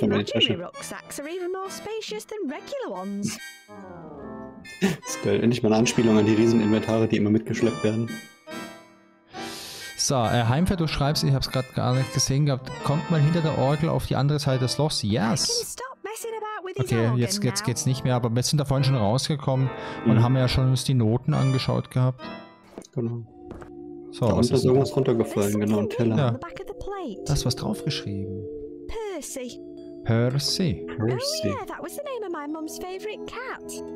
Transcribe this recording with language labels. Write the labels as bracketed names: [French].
[English] Imaginary rucksacks are even more spacious than regular ones. [German] Das ist geil. Endlich mal eine Anspielung an die riesen Inventare, die immer mitgeschleppt werden. So, Heimfeld, du schreibst, ich hab's gerade gar nicht gesehen gehabt, kommt mal hinter der Orgel auf die andere Seite des Lochs. Yes! Okay, jetzt geht's nicht mehr, aber wir sind da vorhin schon rausgekommen und haben ja schon uns die Noten angeschaut gehabt. Genau. So, da unten ist irgendwas runtergefallen, genau, ein Teller. Ja. Da ist was draufgeschrieben. Percy. Percy. Percy. [English] Oh yeah, that was the name of my mom's favorite cat.